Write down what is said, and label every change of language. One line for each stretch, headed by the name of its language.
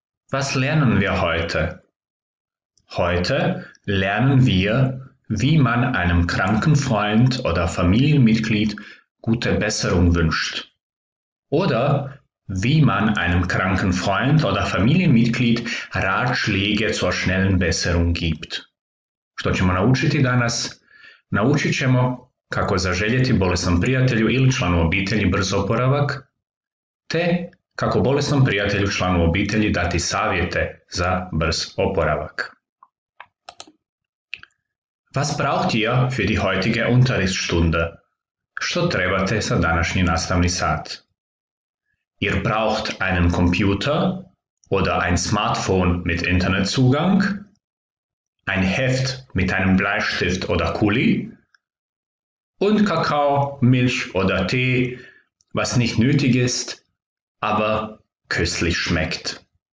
German: Was lernen wir heute? Heute lernen wir, wie man einem kranken Freund oder Familienmitglied gute Besserung wünscht. Oder wie man einem kranken Freund oder Familienmitglied Ratschläge zur schnellen Besserung gibt.
Croatian: Što ćemo naučiti danas? Naučit ćemo kako zaželjeti bolesnom prijatelju ili članu obitelji brz oporavak, te kako bolesnom prijatelju članu obitelji dati savjete za brz oporavak.
German: Was braucht ihr für die heutige Unterrichtsstunde?
Croatian: Što trebate za današnji nastavni sat?
German: Ihr braucht einen Computer oder ein Smartphone mit Internetzugang, ein Heft mit einem Bleistift oder Kuli und Kakao, Milch oder Tee, was nicht nötig ist, aber köstlich schmeckt.